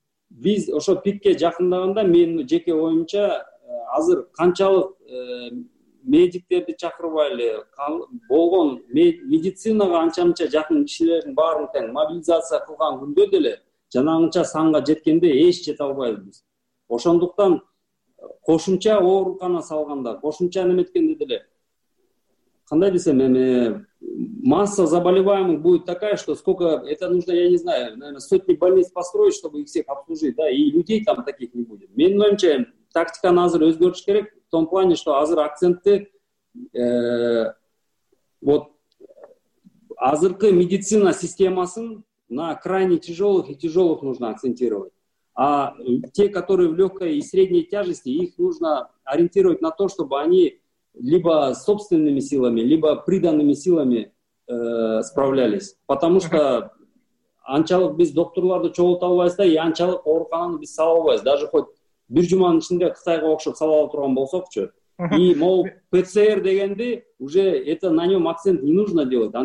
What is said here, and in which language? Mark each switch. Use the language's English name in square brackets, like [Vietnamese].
[Kyrgyz] Биз ошо пикке жакындаганда мен жеке оюмча азыр канчалык медиктерди чакырбай эле болгон медицинага анча-мынча жакын кишилердин баарын тең мобилизация кылган күндө деле жанагынча санга жеткенде эч жете албайбыз. Ошондуктан кошумча оорукана салганда, кошумча неметкенде деле, кандай десем, эми [Russian] масса заболеваемых будет такая, что сколько это нужно, я не знаю, наверное, сотни больниц построить, чтобы их всех обслужить, да, и людей там таких не будет. [Kyrgyz] Менин оюмча тактиканы азыр өзгөртүш керек, [Russian] в том плане, что [Kyrgyz] азыр акцентти вот азыркы медицина системасын [Russian] на крайне тяжелых и тяжелых нужно акцентировать. А те, которые в легкой и средней тяжести, их нужно ориентировать на то, чтобы они либо собственными силами, либо приданными силами справлялись. Потому что [Kyrgyz] анчалык биз докторларды чогулта албайбыз да, и анчалык оорукананы биз сала албайбыз. [Russian] Даже хоть [Kyrgyz] бир жуманын ичинде Кытайга окшоп сала ала турган болсокчу. [Russian] И могу ПЦР дегенди уже это на нем акцент не нужно делать.